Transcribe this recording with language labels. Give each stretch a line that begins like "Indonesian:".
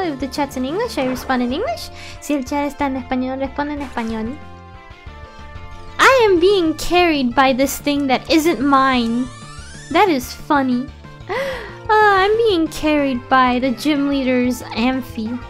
English: If the chat's in English, I respond in English.
Spanish: Si el chat está en español, responde en español.
English: I am being carried by this thing that isn't mine. That is funny. I'm being carried by the gym leader's Amphi.